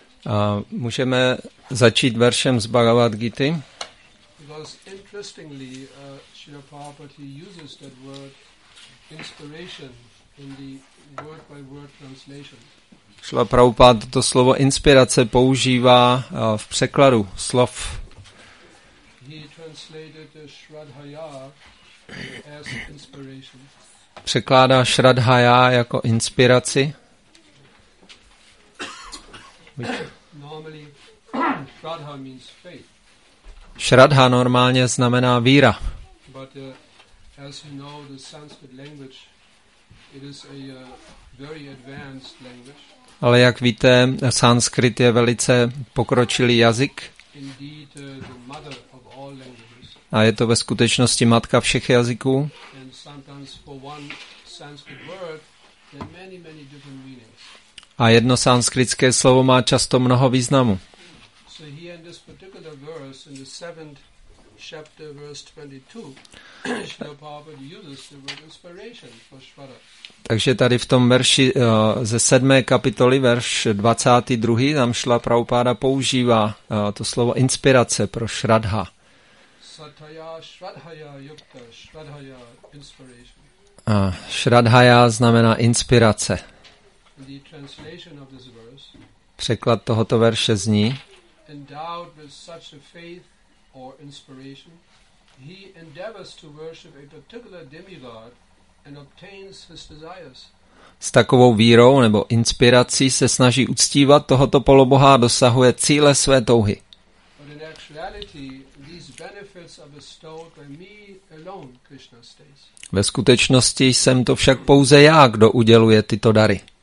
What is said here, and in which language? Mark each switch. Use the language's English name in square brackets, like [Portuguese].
[Czech] A můžeme začít veršem z Bhagavad Gity. [English] Because interestingly, Srila Prabhupada uses that word inspiration in the word by word translation. [Czech] Srila Prabhupada to slovo inspirace používá v překladu slov. [English] He translated the Shraddhaya as inspiration. [Czech] Překládá Shraddhaya jako inspiraci. [English] Normally, Shraddha means faith. [Czech] Shraddha normálně znamená víra. [English] But as you know, the Sanskrit language, it is a very advanced language. [Czech] Ale jak víte, sanskrit je velice pokročilý jazyk. [English] Indeed, the mother of all languages. [Czech] A je to ve skutečnosti matka všech jazyků. [English] And sometimes for one Sanskrit word, there are many, many different meanings. [Czech] A jedno sanskritské slovo má často mnoho významů. [English] So here in this particular verse, in the 7th chapter, verse 22, Srila Prabhupada uses the word inspiration for Shraddha. [Czech] Takže tady v tom verši ze 7. kapitoly, verš 22, tam Srila Prabhupada používá to slovo inspirace pro Shraddha. [Sanskrit] Sataya Shraddhaya Yukta Shraddhaya Inspiration. [Czech] A Shraddhaya znamená inspirace. [English] The translation of this verse, [Czech] překlad tohoto verše zní: [English] endowed with such a faith or inspiration, he endeavors to worship a particular demigod and obtains his desires. [Czech] S takovou vírou nebo inspirací se snaží uctívat tohoto poloboha a dosahuje cíle své touhy. [English] But in actuality, these benefits are bestowed by me alone, Krishna states. [Czech] Ve skutečnosti jsem to však pouze já, kdo uděluje tyto dary.